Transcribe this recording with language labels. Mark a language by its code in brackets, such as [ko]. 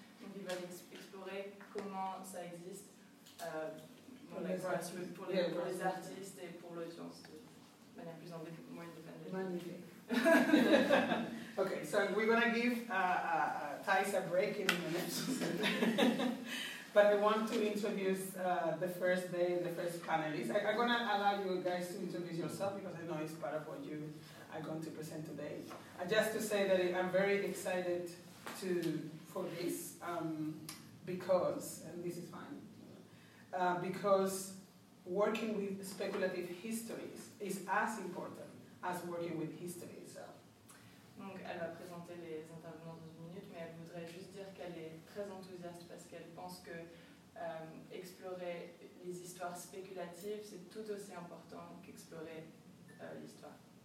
[fr] Donc il va explorer comment ça existe pour les artistes et pour l'audience de manière plus indépendante. [en] Okay, so we're gonna give Thais a break in a minute, but I want to introduce the first day, the first panelist. I'm gonna allow you guys to introduce yourself because I know it's part of what you are going to present today. Just to say that I'm very excited for this, because working with speculative histories is as important as working with history itself. [fr] Donc, elle va présenter les intervenants dans une minute, mais elle voudrait juste dire qu'elle est très enthousiaste parce qu'elle pense que explorer les histoires spéculatives, c'est tout aussi important qu'explorer l'histoire.